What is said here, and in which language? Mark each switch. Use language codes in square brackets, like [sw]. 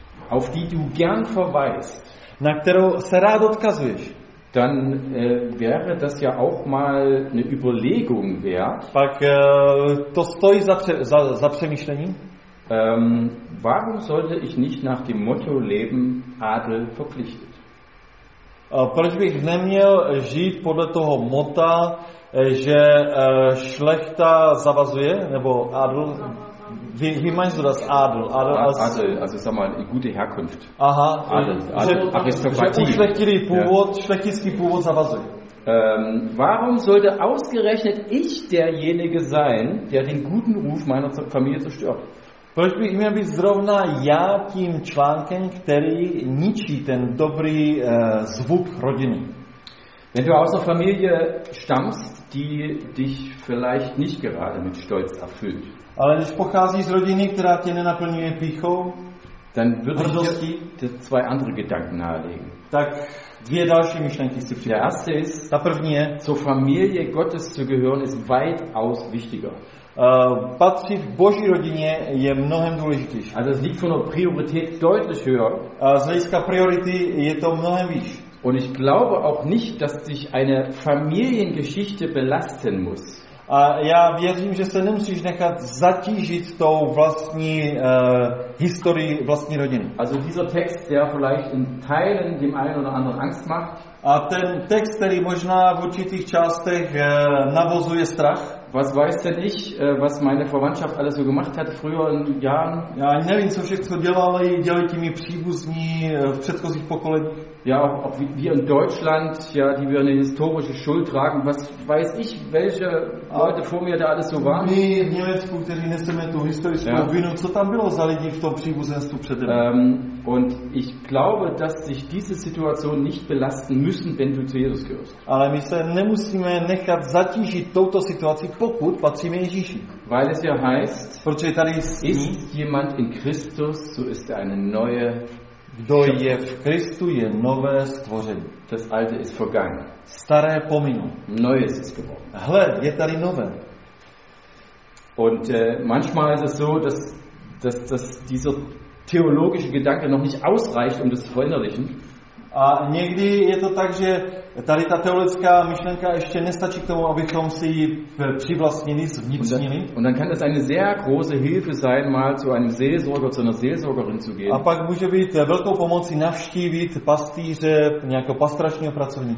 [de] auf die du gern verweist, [cs] na kterou se rád odkazuješ, [de] dann wäre das ja auch mal eine Überlegung wert. [cs] Pak to stojí za přemýšlení. [de] Warum sollte ich nicht nach dem Motto leben, Adel verpflichtet? [cs] Proč bych neměl žít podle toho motta, že šlechta zavazuje, nebo Adel? [de] Wie meinst du das, Adel? Adel, also sag mal, gute Herkunft. Aha, Adel. [cs] Schlechtili původ, schlechtiski původ zavazuje. [de] Warum sollte ausgerechnet ich derjenige sein, der den guten Ruf meiner Familie zerstört? [cs] Proč bych měl být zrovna já tím článkem, který ničí ten dobrý zvuk rodiny? [de] Wenn du aus einer Familie stammst, die dich vielleicht nicht gerade mit Stolz erfüllt. [cs] Ale když pochází z rodiny, která tě nenaplňuje pýchou, [de] dann würde ich dir zwei andere Gedanken nahelegen. [cs] Tak dvě další myšlenky si přijde. [de] Der erste ist, [cs] ta první je, [de] zur Familie Gottes zu gehören ist weitaus wichtiger. [cs] Patřit Boží rodině je mnohem důležitější. [de] Also es liegt von der Priorität deutlich höher. [cs] Z hlediska priority je to mnohem výš. [de] Und ich glaube auch nicht, dass sich eine Familiengeschichte belasten muss. [cs] A já věřím, že se nemusíš nechat zatížit tou vlastní historii vlastní rodiny. [de] Also dieser Text, der vielleicht in Teilen dem einen oder anderen Angst macht. [cs] A ten text, který možná v určitých částech navozuje strach. [de] Was weiß denn ich, was meine Verwandtschaft alles so gemacht hat früher in Jahren? [cs] Já nevím, co všechno dělali mi příbuzní v předchozích pokoleních. [de] Ja, auch wir in Deutschland, ja, die wir eine historische Schuld tragen, was weiß ich, welche Leute vor mir da alles so waren. [cs] My v Německu, kteří neseme tu historickou vinu, co tam bylo za lidi v tom příbuzenstvu před nimi. [de] Und ich glaube, dass sich diese Situation nicht belasten müssen, wenn du zu Jesus gehörst. [cs] Ale my se nemusíme nechat zatížit touto situací, pokud patříme Ježíši. [de] Weil es ja heißt, [cs] protože tady [de] ist jemand in Christus, so ist er eine neue. [cs] Kdo je v Kristu, je nové stvoření. [de] Das alte ist vergangen. [cs] Staré pominu. [de] Neues ist geworden. [cs] Hle, je tady nové. [de] Und manchmal ist es so, dass dieser theologische Gedanke noch nicht ausreicht, um das zu verinnerlichen. [cs] A někdy je to tak, že tady ta teologická myšlenka ještě nestačí k tomu, abychom si ji přivlastnili, zvnitřnili. [de] Und dann kann das eine sehr große Hilfe sein, mal zu einem Seelsorger, zu einer Seelsorgerin zu gehen. [cs] A pak může být velkou pomocí navštívit pastýře, nějakého pastračního pracovníka.